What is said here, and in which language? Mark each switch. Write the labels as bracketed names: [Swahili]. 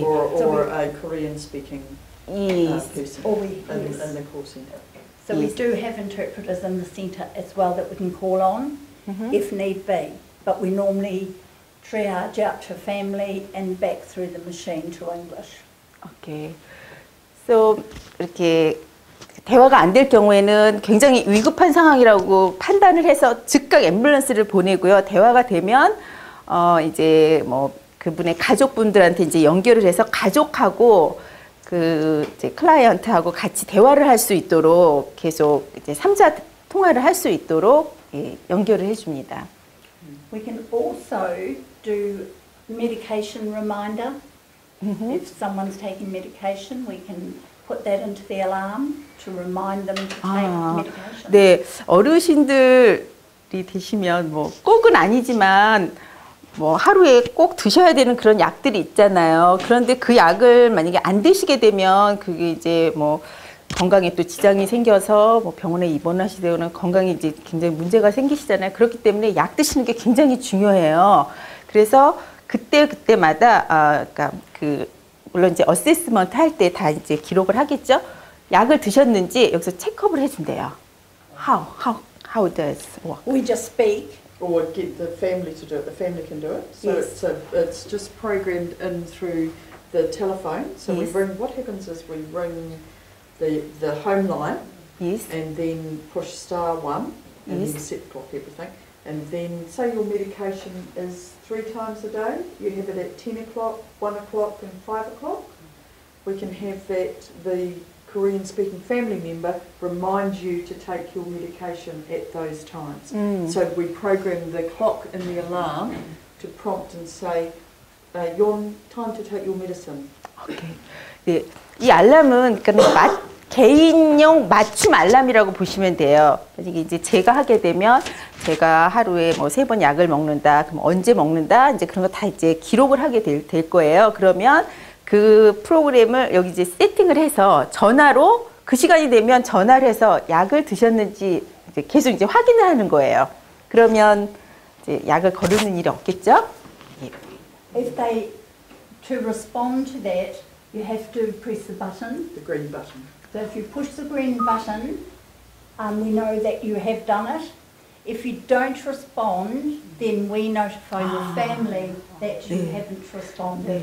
[English] Or a Korean-speaking person in the call centre. So we do have interpreters in the centre as well that we can call on if need be. But we normally triage out to family and back through the machine to English. Okay. [Korean] So, 이렇게 대화가 안 될 경우에는 굉장히 위급한 상황이라고 판단을 해서 즉각 앰뷸런스를 보내고요. 대화가 되면 이제 뭐 그분의 가족분들한테 이제 연결을 해서 가족하고 그 이제 클라이언트하고 같이 대화를 할 수 있도록 계속 이제 3자 통화를 할 수 있도록 예, 연결을 해 줍니다. [English] We can also do medication reminder. If someone's taking medication, we can put that into the alarm to remind them to take medication. [Korean] 네, 어르신들이 드시면 뭐 꼭은 아니지만 뭐 하루에 꼭 드셔야 되는 그런 약들이 있잖아요. 그런데 그 약을 만약에 안 드시게 되면 그게 이제 뭐 건강에 또 지장이 생겨서 뭐 병원에 입원하시거나 건강에 이제 굉장히 문제가 생기시잖아요. 그렇기 때문에 약 드시는 게 굉장히 중요해요. 그래서 그때그때마다 그러니까 그 물론 이제 어세스먼트 할 때 다 이제 기록을 하겠죠. 약을 드셨는지 여기서 체크업을 해준대요. [English] How does it work? We just speak. Or get the family to do it. The family can do it. So yes. it's just programmed in through the telephone. So yes. we ring the home line. Yes. And then push *1 and yes. then set block everything. And then say your medication is 3 times a day. You have it at 10 o'clock, 1 o'clock and 5 o'clock. We can have that the Korean speaking family member remind you to take your medication at those times. Mm. So we program the clock in the alarm to prompt and say, Yon, time to take your medicine. Okay. [Korean] 이 알람은 그러니까 개인용 맞춤 알람이라고 보시면 돼요. 만약에 이제 제가 하게 되면 제가 하루에 뭐 세 번 약을 먹는다, 그럼 언제 먹는다, 이제 그런 거 다 이제 기록을 하게 될 거예요. 그러면 그 프로그램을 여기 이제 세팅을 해서 전화로 그 시간이 되면 전화를 해서 약을 드셨는지 이제 계속 이제 확인을 하는 거예요. 그러면 이제 약을 거르는 일이 없겠죠? [English] If they to respond to that, you have to press the button. The green button. So if you push the green button, we know that you have done it. If you don't respond, then we notify your family that you haven't responded.